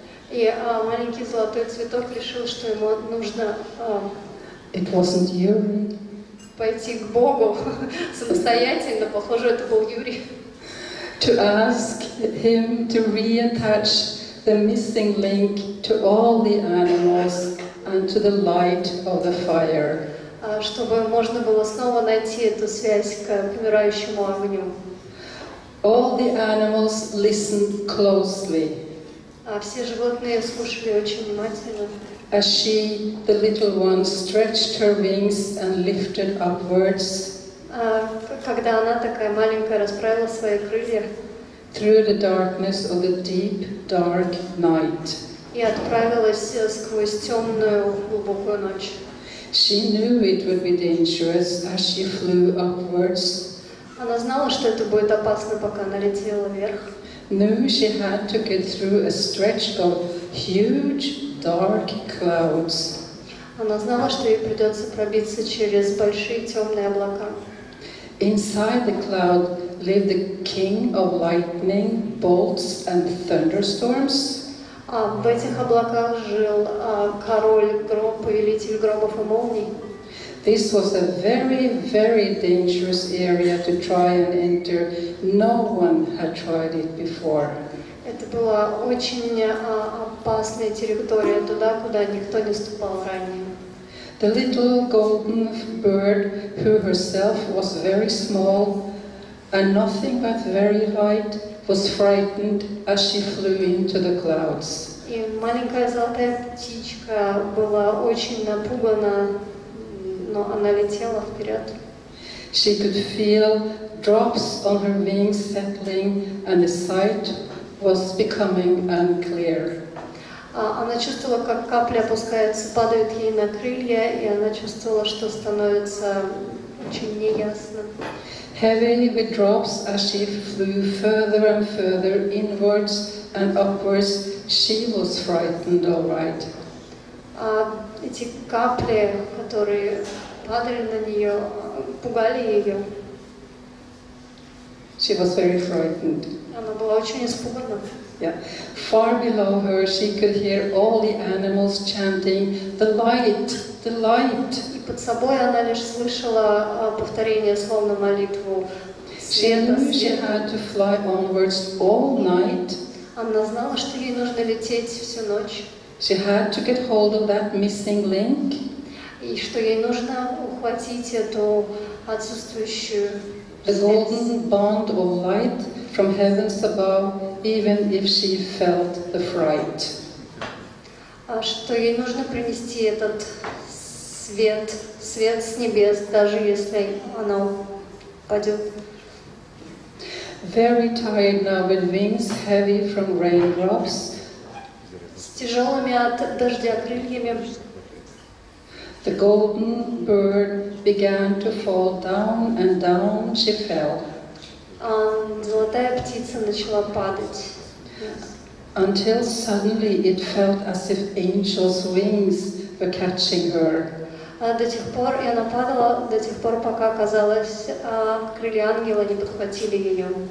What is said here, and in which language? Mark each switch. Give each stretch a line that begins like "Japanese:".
Russian: И маленький золотой цветок решил, что ему нужно
English: It wasn't Yuri.
Russian: Пойти к Богу самостоятельно. Похоже, это был Юрий.
English: To ask him to reattach the missing link to all the animals and to the light of the fire.
Russian: Чтобы можно было снова найти эту связь к умирающему огню.
English: All the animals listened closely.
Russian: Все животные слушали очень внимательно.
English: as she, the little one, stretched her wings and lifted upwards.
Russian: Когда она такая маленькая расправила свои крылья.
English: Through the darkness of the deep, dark night.
Russian: И отправилась сквозь темную глубокую ночь.
English: She knew it would be dangerous as she flew upwards.
Russian: Она знала, что это будет опасно, пока она летела вверх.
English: Knew she had to get through a stretch of huge dark clouds.
Russian: Она знала, что ей придется пробиться через большие темные облака.
English: Inside the cloud lived the king of lightning, bolts, and thunderstorms.
Russian: В этих облаках жил король гром, повелитель громов и молний.
English: This was a very, very dangerous area to try and enter. No one had tried it before.
Russian: Это была очень опасная территория, туда, куда никто не ступал ранее.
English: The little golden bird, who herself was very small and nothing but very light, was frightened as she flew into the clouds.
Russian: И маленькая золотая птичка была очень напугана, но она летела вперед.
English: She could feel drops on her wings settling, and the sight was becoming unclear.
Russian: Она чувствовала, как капли опускаются, падают ей на крылья, и она чувствовала, что становится очень неясно.
English: Heavy with drops, as she flew further and further inwards and upwards, she was frightened, all right.
Russian: Эти капли, которые падали на нее, пугали ее.
English: She was very frightened.
Russian: Она была очень испугана.
English: Yeah. Far below her, she could hear all the animals chanting, "The light, the light."
Russian: И под собой она лишь слышала повторение, словно молитву.
English: She knew she had to fly onwards all night.
Russian: Она знала, что ей нужно лететь всю ночь.
English: She had to get hold of that missing link.
Russian: И что ей нужно ухватить эту отсутствующую.
English: A golden bond of light from heavens above, even if she felt the fright.
Russian: Что ей нужно принести этот свет с небес, даже если она упадет.
English: Very tired now, with wings heavy from raindrops.
Russian: С тяжелыми от дождя крыльями.
English: The golden bird began to fall down, and down she fell.
Russian: Золотая птица начала падать.
English: Until suddenly it felt as if angels' wings were catching her.
Russian: До тех пор, и она падала, до тех пор, пока, казалось, крылья ангела не подхватили ее.